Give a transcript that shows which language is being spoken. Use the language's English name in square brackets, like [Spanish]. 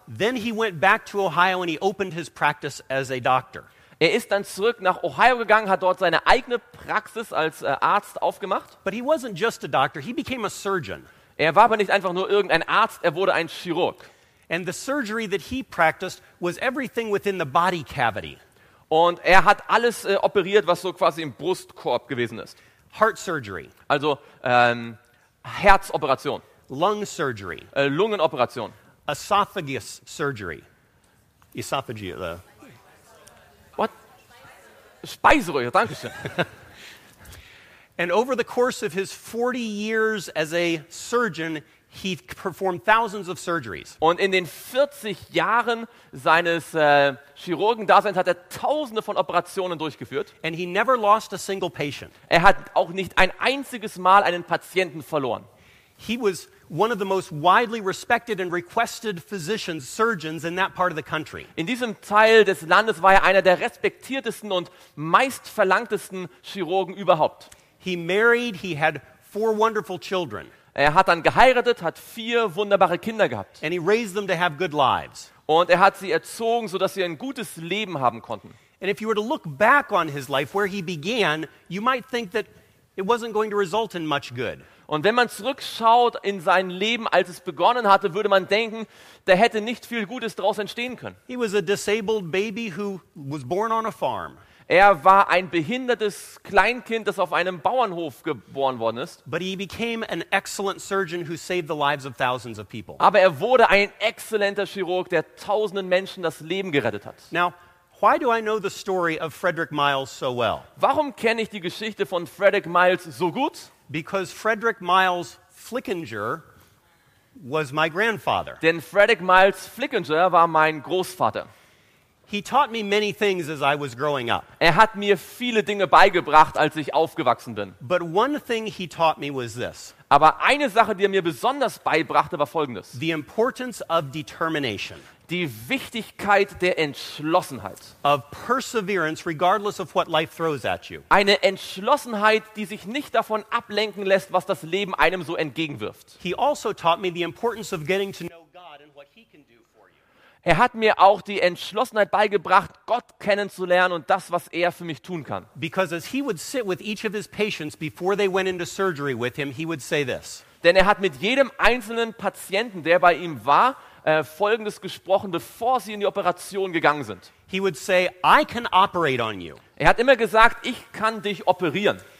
[English] Then he went back to Ohio and he opened his practice as a doctor. [German] Er ist dann zurück nach Ohio gegangen, hat dort seine eigene Praxis als Arzt aufgemacht. [English] But he wasn't just a doctor, he became a surgeon. [German] Er war aber nicht einfach nur irgendein Arzt, er wurde ein Chirurg. [English] And the surgery that he practiced was everything within the body cavity. [German] Und er hat alles operiert, was so quasi im Brustkorb gewesen ist. [English] Heart surgery. [German] Also Herzoperation. [English] Lung surgery. [German] Lungenoperation. [English] Esophagus surgery. Esophageal. [German] What? Speiseröhre, danke schön. [English] And over the course of his 40 years as a surgeon, he performed thousands of surgeries. [German] Und in den 40 Jahren seines Chirurgendaseins hat er tausende von Operationen durchgeführt. [English] And he never lost a single patient. [German] Er hat auch nicht ein einziges Mal einen Patienten verloren. [English] He was one of the most widely respected and requested physicians, surgeons in that part of the country. [German] In diesem Teil des Landes war er einer der respektiertesten und meist verlangtesten Chirurgen überhaupt. [English] He married, he had four wonderful children. [German] Er hat dann geheiratet, hat vier wunderbare Kinder gehabt. [English] And he raised them to have good lives. [German] Und er hat sie erzogen, so dass sie ein gutes Leben haben konnten. [English] And if you were to look back on his life where he began, you might think that it wasn't going to result in much good. [German] Und wenn man zurückschaut in sein Leben, als es begonnen hatte, würde man denken, da hätte nicht viel Gutes daraus entstehen können. [English] He was a disabled baby who was born on a farm. [German] Er war ein behindertes Kleinkind, das auf einem Bauernhof geboren worden ist. [English] But he became an excellent surgeon who saved the lives of thousands of people. [German] Aber er wurde ein exzellenter Chirurg, der tausenden Menschen das Leben gerettet hat. [English] Now, why do I know the story of Frederick Miles so well? [German] Warum kenne ich die Geschichte von Frederick Miles so gut? [English] Because Frederick Miles Flickinger was my grandfather. [German] Denn Frederick Miles Flickinger war mein Großvater. [English] He taught me many things as I was growing up. [German] Er hat mir viele Dinge beigebracht, als ich aufgewachsen bin. [English] But one thing he taught me was this. [German] Aber eine Sache, die er mir besonders beibrachte, war folgendes. [English] The importance of determination. [German] Die Wichtigkeit der Entschlossenheit. [English] Of perseverance, regardless of what life throws at you. [German] Eine Entschlossenheit, die sich nicht davon ablenken lässt, was das Leben einem so entgegenwirft. [English] He also taught me the importance of getting to know God and what he can do for you. [German] Er hat mir auch die Entschlossenheit beigebracht, Gott kennenzulernen und das, was er für mich tun kann. [English] Because as he would sit with each of his patients before they went into surgery with him, he would say this. [German] Denn er hat mit jedem einzelnen Patienten, der bei ihm war, Folgendes gesprochen, bevor sie in die Operation gegangen sind. [English] He would say, I can operate on you. [German] Er hat immer gesagt, ich kann dich operieren.